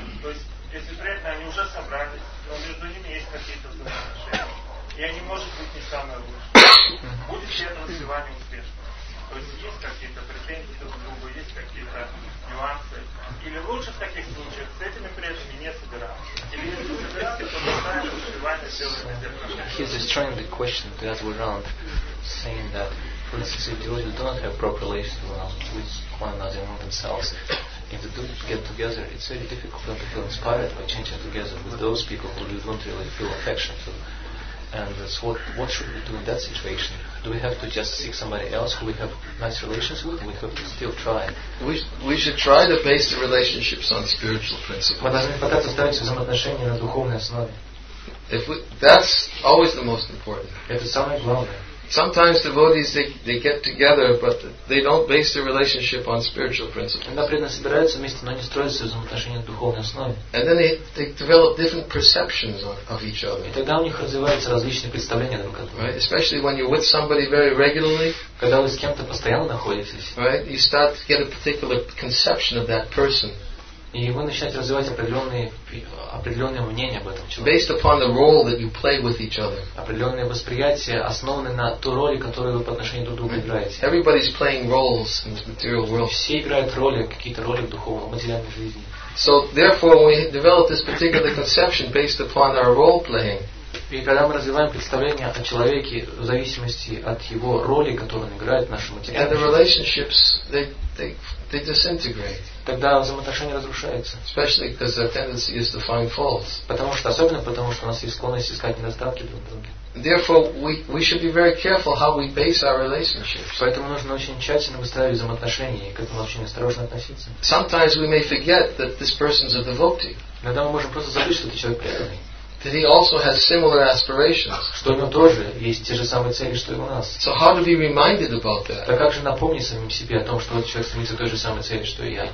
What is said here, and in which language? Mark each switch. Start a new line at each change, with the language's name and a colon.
Russian: То есть, если преданные, они уже собрались, но между ними есть какие-то взаимоотношения, и они, может быть, не самые лучшие. Будет ли это воспевание успешным? То есть, есть какие-то претензии друг к другу, есть какие-то нюансы? Или лучше в таких случаях с этими преданными не собираться? Или если собираться, то поставим успевание, сделаем везде прошлое?
English: He's destroying the question to ask around, saying that for instance, if devotees do not have proper relations with one another among themselves, if they do get together, it's very difficult to feel inspired by chanting together with those people who you don't really feel affection to. And so what should we do in that situation? Do we have to just seek somebody else who we have nice relations with? We have to still try. We should try to base the relationships on spiritual principles. That's always the most important.
Russian: Это самое главное.
English: Sometimes devotees they get together, but they don't base their relationship on spiritual principles. And then they develop different perceptions of each other. Right? Especially when you're with somebody very regularly. Right? You start to get a particular conception of that person.
Russian: И вы начинаете развивать определенное мнение об этом человеке.
English: Based upon the role that you play with each other.
Russian: Определенное восприятие, основанное на той роли, которую вы по отношению друг к другу играете.
English: Everybody's playing roles in this material world.
Russian: Все играют роли, какие-то роли в духовной, материальной жизни.
English: So therefore we develop this particular conception based upon our role playing.
Russian: И когда мы развиваем представление о человеке в зависимости от его роли, которую он играет в нашем материале.
English: And the relationships they disintegrate.
Russian: Тогда взаимоотношения разрушаются.
English: Especially because our tendency is to find faults.
Russian: Потому что у нас есть склонность искать недостатки друг в друге.
English: Therefore, we should be very careful how we base our relationships.
Russian: Поэтому нужно очень тщательно выстраивать взаимоотношения и к этому очень осторожно относиться.
English: Sometimes we may forget that this person is a devotee.
Russian: Иногда мы можем просто забыть, что этот человек преданный.
English: That he also has similar aspirations.
Russian: Что у него тоже есть те же самые цели, что и у нас.
English: So how to be reminded about that?
Russian: Так как же напомнить самим себе о том, что этот человек стремится к той же самой цели, что и я?